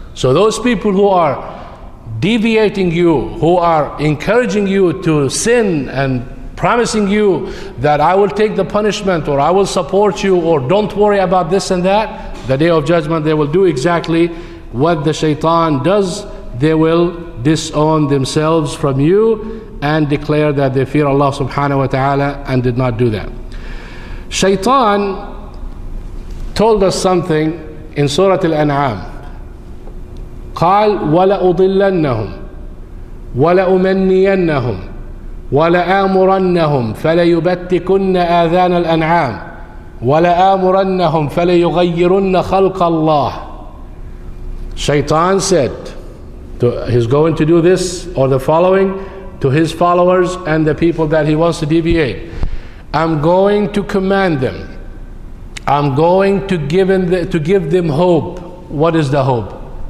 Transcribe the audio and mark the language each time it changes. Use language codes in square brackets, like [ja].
[en] So those people who are deviating you, who are encouraging you to sin and promising you that I will take the punishment or I will support you or don't worry about this and that, the day of judgment they will do exactly what the shaitan does. They will disown themselves from you and declare that they fear Allah subhanahu wa ta'ala and did not do that. Shaitan told us something in Surah Al-An'am. [ar] قال ولأضلنهم ولأمنينهم ولآمرنهم فليبتكن آذان الأنعام ولآمرنهم فليغيرن خلق الله. [en] Shaitan said, he's going to do this or the following to his followers and the people that he wants to deviate. I'm going to command them. I'm going to give them hope. What is the hope?